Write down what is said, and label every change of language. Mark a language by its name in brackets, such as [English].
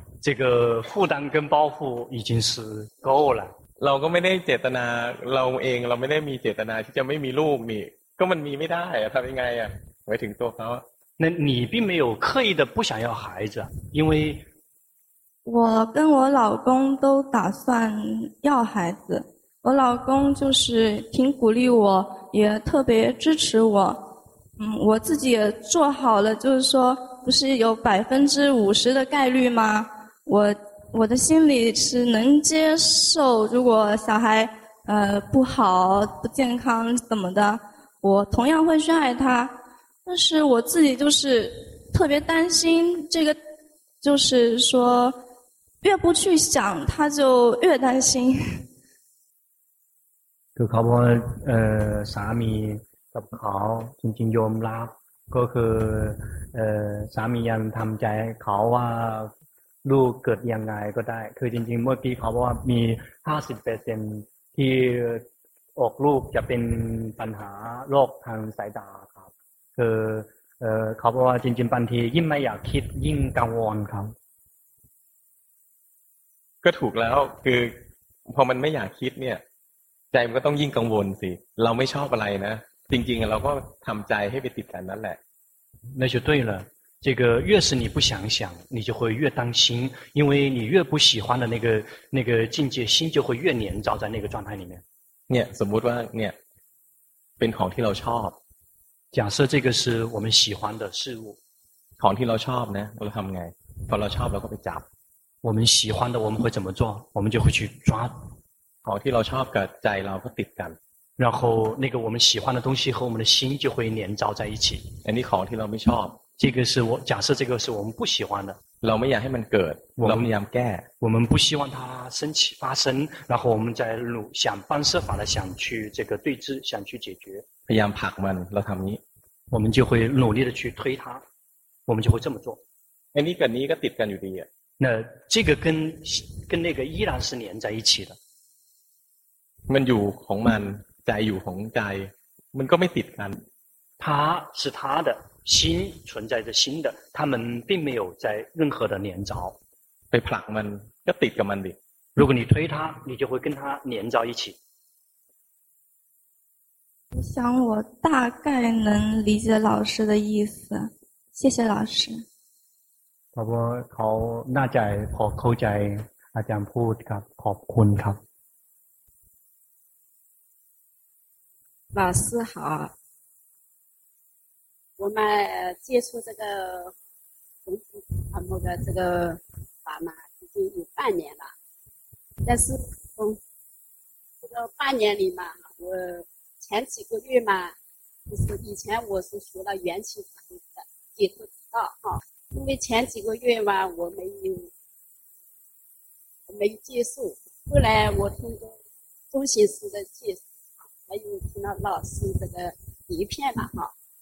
[Chinese] 这个负担跟包袱已经是够了 [Thai] เราก็ไม่ได้เจตนาเราเองเราไม่ได้มีเจตนาที่จะไม่มีลูกนี่ก็มันมีไม่ได้อะทำยังไงอ่ะไว้ถึงตัวเขา [Chinese] 那你并没有刻意的不想要孩子因为我跟我老公都打算要孩子我老公就是挺鼓励我也特别支持我我自己也做好了就是说不是有50%的概率吗我的心里是能接受如果小孩不好不健康怎么的我同样会去爱他但是我自己就是特别担心这个就是说越不去想他就越担心 [Thai] คือเขาบอกว่าสามีกับเขาจริงๆยอมรับก็คือสามียังทำใจเขาว่าลูกเกิดยังไงก็ได้คือจริงๆเมื่อกี้เขาบอกว่ามี 50% ที่ออกลูกจะเป็นปัญหาโรคทางสายตาครับคือเขาบอกว่าจริงๆบางทียิ่งไม่อยากคิดยิ่งกังวลครับ ก็ถูกแล้วคือพอมันไม่อยากคิดเนี่ยใจมันก็ต้องยิ่งกังวลสิเราไม่ชอบอะไรนะจริงๆเราก็ทำใจให้ไปติดกันนั่นแหละ [Chinese] 那就对了这个越是你不想想你就会越担心因为你越不喜欢的那个境界心就会越黏着在那个状态里面 [Thai] เนี่ยสมมุติว่าเนี่ยเป็นของที่เราชอบ [Chinese] 假设这个是我们喜欢的事物 [Thai] ของที่เราชอบนะเราทำไงพอเราชอบเราก็ไปจับ [Chinese] 我们喜欢的我们会怎么做我们就会去抓 [Thai] ของที่เราชอบกับใจเราก็ติดกัน [Chinese] 然后那个我们喜欢的东西和我们的心就会黏着在一起 [Thai] อันนี้ของที่เราไม่ชอบ [Chinese] 这个是我假设这个是我们不喜欢的 [Thai] เราไม่อยากให้มันเกิดเราพยายามแก้ [Chinese] 我们不希望它升起发生然后我们在努想方设法的想去这个对峙想去解决 [Thai] พยายามผลักมันเราทำนี้ [Chinese] 我们就会努力的去推它我们就会这么做 [Thai] ไอ้นี่กับนี้ก็ติดกันอยู่ดีอ่ะ [Chinese] 那这个跟那个依然是连在一起的 [Thai] มันอยู่ของมันใจอยู่ของใจมันก็ไม่ติดกัน [Chinese] 他是他的心存在着心的，他们并没有在任何的连着。 [Thai] ไปผลักมันก็ติดกับมันดิ [Chinese] 如果你推他，你就会跟他连着一起。我想我大概能理解老师的意思，谢谢老师。 [Thai] ครับว่าเขาน่าใจพอเข้าใจอาจารย์พูดครับขอบคุณครับ [Chinese] 老师好我们接触这个红土盘木的这个法嘛已经有半年了但是从这个半年里嘛我前几个月嘛就是以前我是学了缘起法门的解脱之道哈因为前几个月嘛我没接触后来我通过中心师的介绍还有听到老师这个碟片嘛哈